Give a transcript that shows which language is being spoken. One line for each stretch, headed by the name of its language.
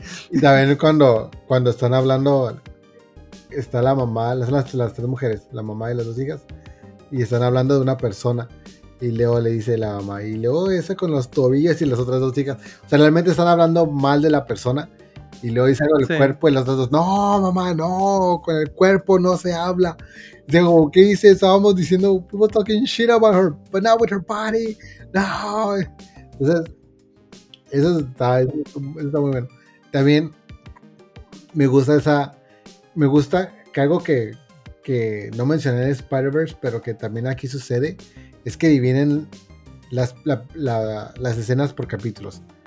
Spanish: Y también cuando están hablando, está la mamá, las tres mujeres, la mamá y las dos hijas. Y están hablando de una persona. Y Leo le dice a la mamá. Y Leo esa con los tobillos y las otras dos chicas. O sea, realmente están hablando mal de la persona. Y Leo dice algo del cuerpo. Y las otras dos, no, mamá, no. Con el cuerpo no se habla. Digo, ¿qué dice? Estábamos diciendo,
English: we were talking shit about her, but not with her body.
Spanish: No. Entonces, eso está muy bueno. También me gusta que algo que no mencioné en Spider-Verse, pero que también aquí sucede, es que dividen las escenas por capítulos.